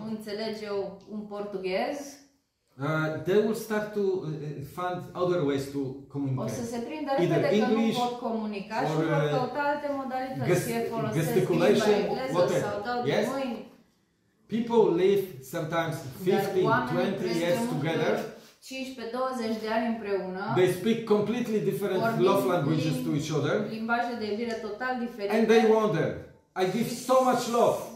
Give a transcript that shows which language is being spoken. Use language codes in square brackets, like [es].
[ro] nu înțelege un portughez, [en] they will start to find other ways to communicate. [ro] O să se prindă repede că [en] English, [ro] nu pot comunica și vor căuta alte modalități, fie folosesc limba engleză whatever. Sau dau de yes? Mâini. [en] People live sometimes 15-20 years together. [ro] 15-20 de ani împreună. [en] They speak completely different love languages to each other. [ro] Limbaje de iubire total diferite. [en] And they wonder, I give so much love.